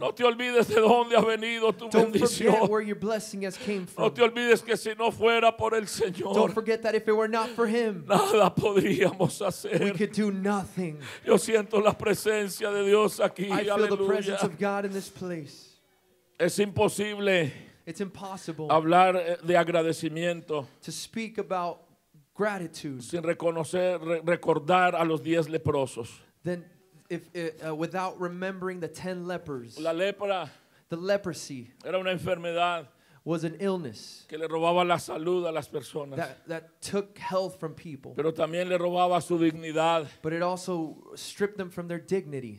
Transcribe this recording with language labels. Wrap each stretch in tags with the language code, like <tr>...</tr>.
<es>No te olvides de dónde ha venido tu</es> <en>don't</en> <es>bendición.</es> <en>Forget where your blessing has came from.</en> <es>No te olvides que si no fuera por el Señor.</es> <en>Don't forget that if it were not for him.</en> <es>Nada podríamos hacer.</es> <en>We could do nothing.</en> <es>Yo siento la presencia de Dios aquí.</es> <en>I</en> <es>Aleluya.</es> <en>Feel the presence of God in this place.</en> <es>Es imposible.</es> <en>It's impossible.</en> <es>Hablar de agradecimiento.</es> <en>To speak about gratitude.</en> <es>Sin reconocer, recordar a los 10 leprosos.</es> <en>Then, without remembering the 10 lepers.</en> <es>La lepra.</es> <en>The leprosy.</en> <es>Era una enfermedad.</es> <en>Was an illness.</en> <es>Que le robaba la salud a las personas.</es> <en>That took health from people.</en> <es>Pero también le robaba su dignidad.</es> <en>But it also stripped them from their dignity.</en>